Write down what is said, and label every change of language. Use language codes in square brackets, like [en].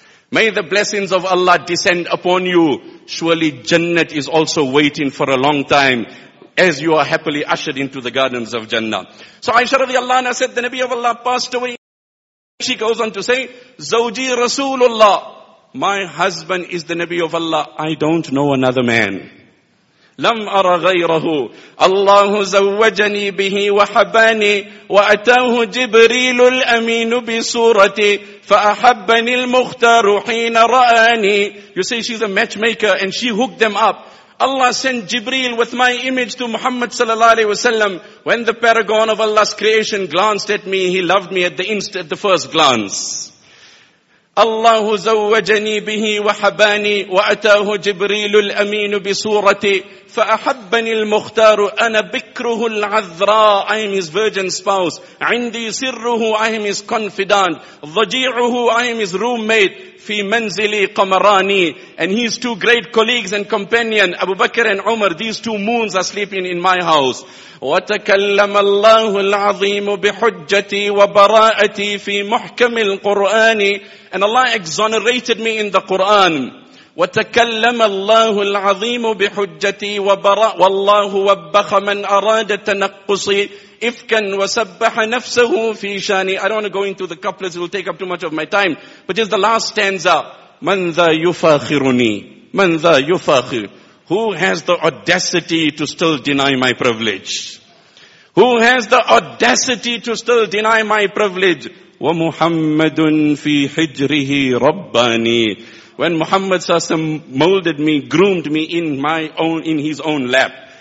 [en] May the blessings of Allah descend upon you. Surely Jannat is also waiting for a long time as you are happily ushered into the gardens of Jannah. So Aisha radiallahu anha said, the Nabi of Allah passed away. She goes on to say, [ar] Zawji Rasulullah, [en] my husband is the Nabi of Allah. I don't know another man. [ar] لم أرى غيره الله زوجني به وحباني وأتاه جبريل الأمين بصورتي فأحبني المختار حين رآني. [en] You say she's a matchmaker and she hooked them up. Allah sent Jibreel with my image to Muhammad sallallahu alaihi wasallam. When the paragon of Allah's creation glanced at me, he loved me at the first glance. [ar] الله زوجني به وحباني وأتاه جبريل الأمين بصورتي فأحبني المختار أنا بكره العذراء. [en] I am his virgin spouse. [ar] عندي سره, [en] I am his confidant. ضجيعه, I am his roommate. [ar] في منزلي قمراني. [en] And his two great colleagues and companion, Abu Bakr and Umar, these two moons are sleeping in my house. [ar] وتكلم الله العظيم بحجتي وبراءتي في محكم القرآن. [en] And Allah exonerated me in the Quran. [ar] وتكلم الله العظيم بحجتي وبراء والله وبخ من أراد تنقصي إفكا وسبح نفسه في شاني. [en] I don't want to go into the couplets, it will take up too much of my time. But just the last stanza. [ar] من ذا يفاخرني من ذا يفاخر. [en] Who has the audacity to still deny my privilege? Who has the audacity to still deny my privilege? [ar] وَمُحَمَّدٌ فِي حِجْرِهِ رَبَّانِي. [en] When Muhammad Sassam molded me, groomed me in his own lap.